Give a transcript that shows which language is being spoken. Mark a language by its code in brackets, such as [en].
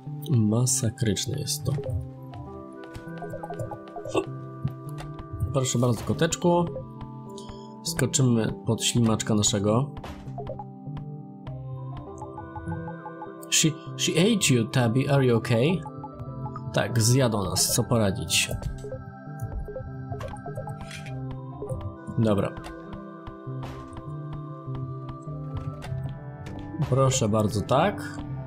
[pl] Masakryczne jest to. Proszę bardzo, koteczku. Skoczymy pod ślimaczka naszego. [en] She ate you, Tabby, are you okay? [pl] Tak, zjadł nas, co poradzić. Dobra. Proszę bardzo, tak.